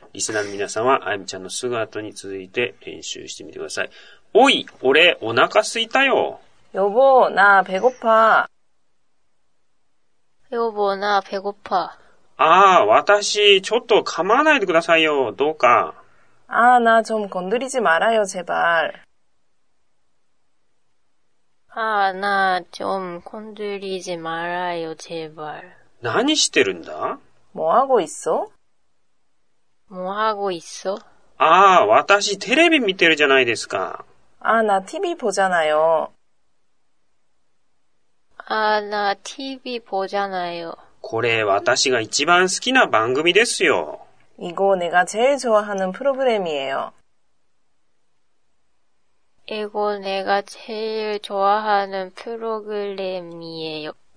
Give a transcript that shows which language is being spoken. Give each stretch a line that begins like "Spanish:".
Japanese: リスナーの皆さんはあゆみちゃんのすぐ後に続いて練習してみてください。おい、俺お腹空いたよ。
Korean: 여보나배고파。 여보나배고파。
Japanese: ああ、私ちょっと構わないでくださいよ。どうか。
Korean: 아나좀건드리지말아요제발 아나좀건드리지말아요제발
Japanese: 何してるんだ
Korean: 뭐하고있어 뭐하고있어
Japanese: 아私テレビ見てるじゃないですか
Korean: 아나 TV 보잖아요 아나 TV 보잖아요
Japanese: これ私が一番好きな番組ですよ
Korean: 이거내가제일좋아하는프로그램이에요 이거내가제일좋아하는프로그램이에요